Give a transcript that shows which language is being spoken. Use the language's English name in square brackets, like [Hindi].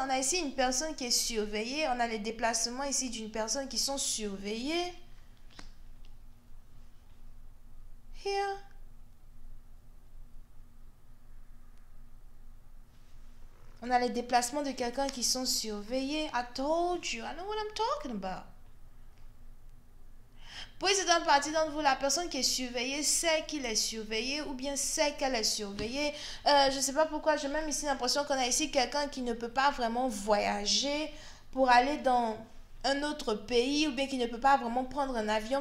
[French] On a ici une personne qui est surveillée. On a les déplacements ici d'une personne qui sont surveillées. [English] Here. [French] On a les déplacements de quelqu'un qui sont surveillés. [English] I told you, I know what I'm talking about. [French] Oui, c'est une partie d'entre vous. La personne qui est surveillée sait qu'il est surveillé ou bien sait qu'elle est surveillée. Je ne sais pas pourquoi, j'ai même ici l'impression qu'on a ici quelqu'un qui ne peut pas vraiment voyager pour aller dans un autre pays ou bien qui ne peut pas vraiment prendre un avion.